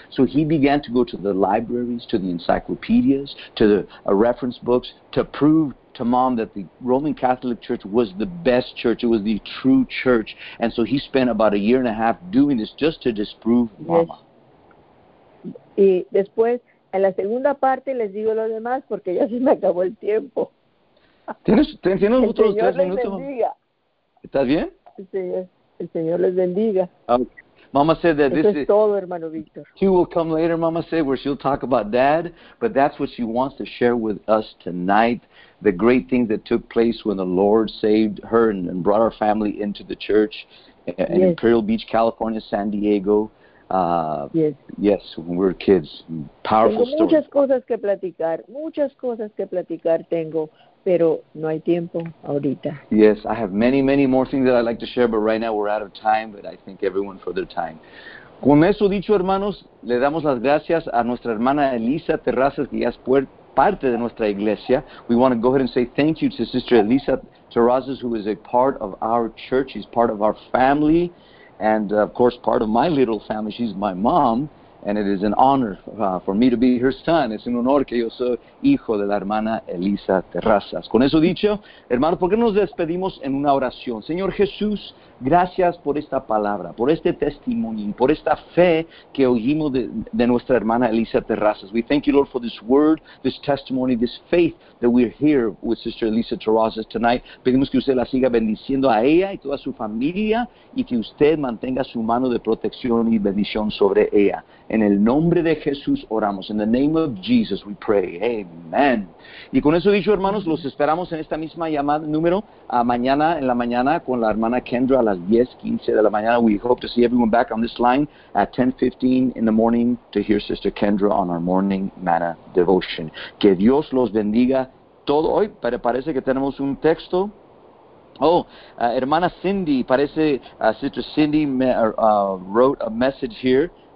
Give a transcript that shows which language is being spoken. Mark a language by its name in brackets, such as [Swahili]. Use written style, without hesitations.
[English] So he began to go to the libraries, to the encyclopedias, to the reference books to prove to mom that the Roman Catholic Church was the best church. It was the true church. And so he spent about a year and a half doing this just to disprove mama. [Spanish] Y después, en la segunda parte, les digo lo demás porque ya se me acabó el tiempo. ¿Tienes otros 3 minutos? ¿Estás bien? Sí. El Señor les bendiga. [English] Okay. Mama said that [Spanish] eso [English] this [Spanish] es [English] is [Spanish] todo, hermano Víctor. [English] She will come later, mama said, where she'll talk about dad, but that's what she wants to share with us tonight. The great things that took place when the Lord saved her and brought our family into the church in Imperial Beach, California, San Diego. When we were kids. Powerful [Spanish] story. Muchas cosas que platicar. Muchas cosas que platicar tengo, pero no hay tiempo ahorita. [English] Yes, I have many, many more things that I'd like to share, but right now we're out of time, but I thank everyone for their time. [Spanish] Con eso dicho, hermanos, le damos las gracias a nuestra hermana Elisa Terrazas, que ya es parte de nuestra iglesia. [English] We want to go ahead and say thank you to Sister Elisa Terrazas, who is a part of our church. She's part of our family, and of course, part of my little family. She's my mom, and it is an honor for me to be her son. [Spanish] Es un honor que yo soy hijo de la hermana Elisa Terrazas. Con eso dicho, hermanos, ¿por qué nos despedimos en una oración? Señor Jesús, gracias por esta palabra, por este testimonio, por esta fe que oímos de nuestra hermana Elisa Terrazas. [English] We thank you, Lord, for this word, this testimony, this faith that we're here with Sister Elisa Terrazas tonight. [Spanish] Pedimos que usted la siga bendiciendo a ella y toda su familia y que usted mantenga su mano de protección y bendición sobre ella. En el nombre de Jesús oramos. [English] In the name of Jesus we pray. Amen. [Spanish] Y con eso dicho, hermanos, los esperamos en esta misma llamada número a mañana en la mañana con la hermana Kendra a las 10:15 de la mañana. [English] We hope to see everyone back on this line at 10:15 in the morning to hear Sister Kendra on our morning manna devotion. [Spanish] Que Dios los bendiga todo hoy. Pero parece que tenemos un texto. Hermana Cindy, parece [English] Sister Cindy wrote a message here.